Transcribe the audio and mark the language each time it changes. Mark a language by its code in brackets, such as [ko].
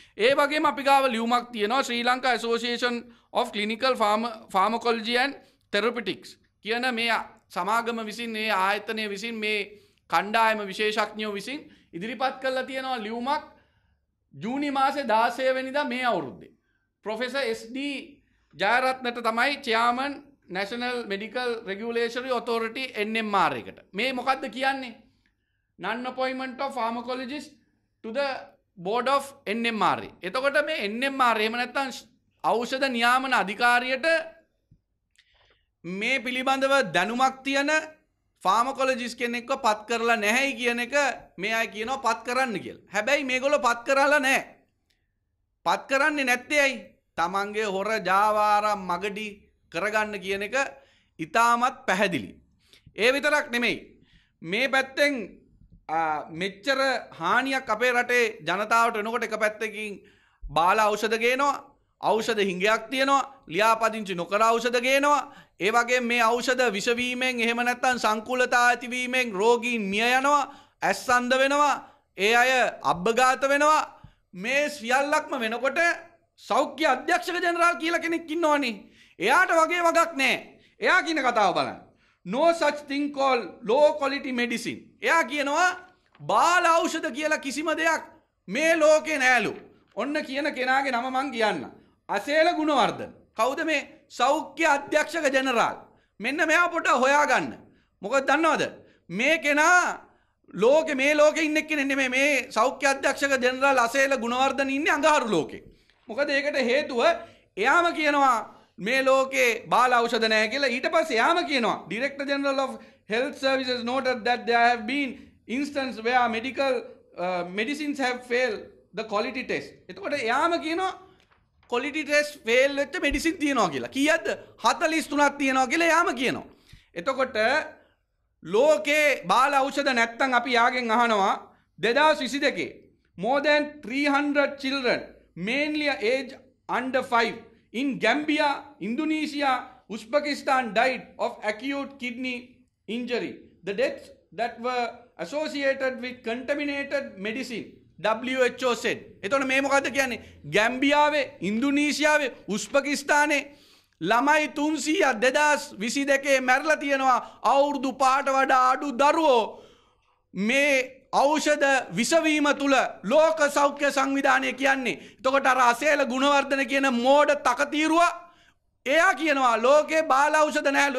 [si] ඒ වගේම අපි ගාව ලියුමක් තියෙනවා ශ්‍රී Lanka association of clinical ෆාමකොලොජි and තෙරපිටික්ස් කියන මේ සමාගම විසින් මේ ආයතනය විසින් මේ කණ්ඩායම විශේෂඥයෝ විසින් ඉදිරිපත් කරලා තියෙනවා ලියුමක් ජූනි මාසේ 16 වෙනිදා මේ අවුරුද්දේ. ප්‍රොෆෙසර් SD ජයරත්නට තමයි චෙයාර්මන් නැෂනල් මෙඩිකල් රෙගුලේටරි ඔතොරිටි NMR එකට. මේ මොකද්ද කියන්නේ? [en] Non appointment of pharmacologist to the board of NMR. [si] එතකොට මේ NMR එහෙම නැත්නම් ඖෂධ නියාමන අධිකාරියට මේ පිළිබඳව දැනුමක් තියෙන pharmacologist කෙනෙක්ව පත් කරලා නැහැයි කියන එක මේ අය කියනවා පත් කරන්න කියලා. හැබැයි මේගොල්ලෝ පත් කරලා නැහැ. පත් කරන්නේ නැත්තේ ඇයි? තමන්ගේ හොර ජාවාරම් මගඩි කරගන්න කියන එක ඉතාමත් පැහැදිලි. ඒ විතරක් නෙමෙයි. මේ පැත්තෙන් මෙච්චර හානියක් අපේ රටේ ජනතාවට වෙනකොට එක පැත්තකින් බාල ඖෂධ ගේනවා, ඖෂධ හිඟයක් තියෙනවා, ලියාපදිංචි නොකර ඖෂධ ගේනවා. ඒ වගේම මේ ඖෂධ විසවීමෙන් එහෙම නැත්නම් සංකූලතා ඇතිවීමෙන් රෝගීන් මිය යනවා, ඇස් අන්ධ වෙනවා, ඒ අය අබ්බඝාත වෙනවා. මේ සියල්ලක්ම වෙනකොට සෞඛ්‍ය අධ්‍යක්ෂක ජෙනරාල් කියලා කෙනෙක් ඉන්නවනේ. එයාට වගේ වගක් නැහැ. එයා කියන කතාව බලන්න. [en] No such thing called low quality medicine. [si] එයා කියනවා බාල ඖෂධ කියලා කිසිම දෙයක් මේ ලෝකේ නැහැලු. ඔන්න කියන කෙනාගේ නම මං කියන්න. අසේල ගුණවර්ධන. කවුද මේ සෞඛ්‍ය අධ්‍යක්ෂක ජෙනරාල්? මෙන්න මෙයා පොඩ හොයාගන්න. මොකද දන්නවද? මේ කෙනා ලෝකේ මේ ලෝකේ ඉන්න කෙනෙක් නෙමෙයි. මේ සෞඛ්‍ය අධ්‍යක්ෂක ජෙනරාල් අසේල ගුණවර්ධන ඉන්නේ අඟහරු ලෝකේ. මොකද ඒකට හේතුව එයාම කියනවා මේ ලෝකේ බාල ඖෂධ නැහැ කියලා. [en] ඊට පස්සේ යාම කියනවා director general of health services noted that there have been instances where medical medicines have fail the quality test. [si] එතකොට යාම කියනවා ක්වොලිටි ටෙස්ට් ෆේල් වෙච්ච මෙඩිසින් තියනවා කියලා. කීයද? 43ක් තියනවා කියලා යාම කියනවා. එතකොට ලෝකේ බාල ඖෂධ නැත්තම් අපි යාගෙන් අහනවා [en] 2022 more than 300 children mainly age under 5 in Gambia, Indonesia, Uzbekistan died of acute kidney injury. The deaths that were associated with contaminated medicine, WHO said. [si] එතකොට මේ මොකද්ද කියන්නේ? ගැම්බියාවේ, ඉන්දුනීසියාවේ, උස්බකිස්තානයේ ළමයි 300 2022 මැරලා තියෙනවා අවුරුදු පහට වඩා අඩු දරුවෝ මේ ඖෂධ විසවීම තුළ. ලෝක සෞඛ්‍ය සංවිධානය කියන්නේ. එතකොට අර අසේල ගුණවර්ධන කියන මෝඩ තකතිරුව එයා කියනවා ලෝකේ බාල ඖෂධ නැහැලු.